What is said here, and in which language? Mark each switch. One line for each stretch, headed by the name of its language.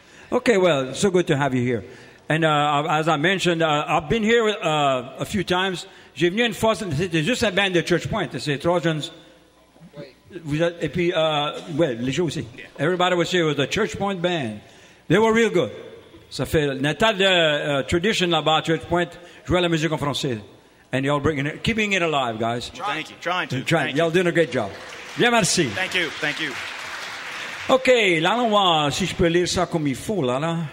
English: Okay, well, so good to have you here. And as I mentioned, I've been here a few times.
French: J'ai venu une fois, c'était juste un band de Church Point. C'est Trojans. Oui. Et puis, well, les gens aussi. Yeah.
English: Everybody was here. It was a Church Point band. They were real good.
French: Ça fait un tas de tradition là-bas, Church Point, jouer la musique en français.
English: And y'all bringing it, keeping it alive, guys. Trying, trying to. Trying. y'all you. Doing a great job.
French: Bien, merci.
English: Thank you, thank you.
French: OK, là, on va, si je peux lire ça comme il faut, là, là.